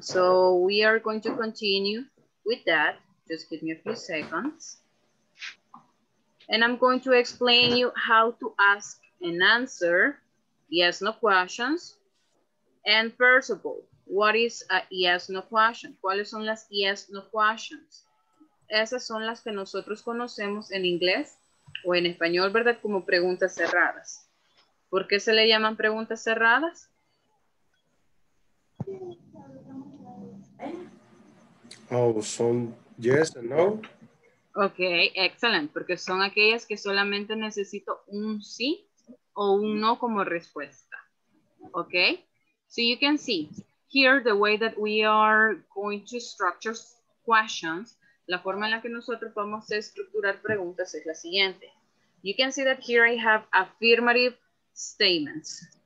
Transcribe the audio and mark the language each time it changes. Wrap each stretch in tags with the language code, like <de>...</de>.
<en>So we are going to continue with that. Just give me a few seconds. And I'm going to explain you how to ask and answer yes, no questions. And first of all, what is a yes, no question?</en> <es>¿Cuáles son las</es> <en>yes, no questions?</en> <es>Esas son las que nosotros conocemos en inglés o en español, ¿verdad? Como preguntas cerradas. ¿Por qué se le llaman preguntas cerradas?</es> <en>Oh,</en> <es>son</es> <en>yes and no.</en> <es>Ok, excelente. Porque son aquellas que solamente necesito un sí o un no como respuesta. Ok.</es> <en>So you can see here the way that we are going to structure questions.</en> <es>La forma en la que nosotros vamos a estructurar preguntas es la siguiente.</es> <en>You can see that here I have affirmative statements.</en>